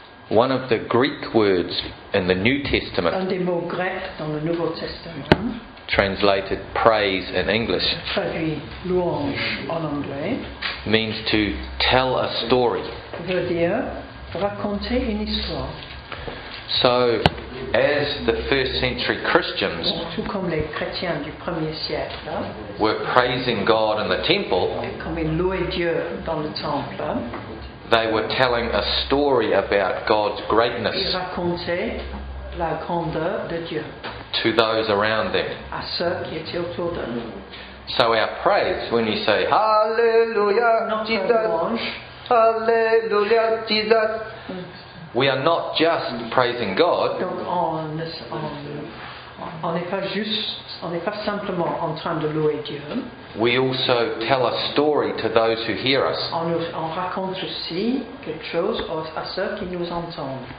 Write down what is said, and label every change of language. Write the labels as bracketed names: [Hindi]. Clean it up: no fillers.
[English] One of the Greek words in the New Testament, [French] un des mots grecs dans le Nouveau Testament, [English] translated praise in English, [French] traduit louange en anglais, [English] means to tell a story. [French] Veut dire raconter une histoire. [English] So, as the first century Christians, [French] tout comme les chrétiens du premier siècle, [English] were praising God in the temple, [French] et comme ils louaient Dieu dans le temple, [English] they were telling a story about God's greatness. [French] Ils racontaient la grandeur de Dieu [English] to those around them. [French] À ceux qui étaient autour d'eux. [English] So our praise, when you say Hallelujah, [French] notre [English] Jesus, [French] louange, [English] Hallelujah, Jesus. We are not just praising God. [French] Donc on n'est pas simplement en train de louer Dieu. [English] We also tell a story to those who hear us. [French] On raconte aussi quelque chose à ceux qui nous entendent.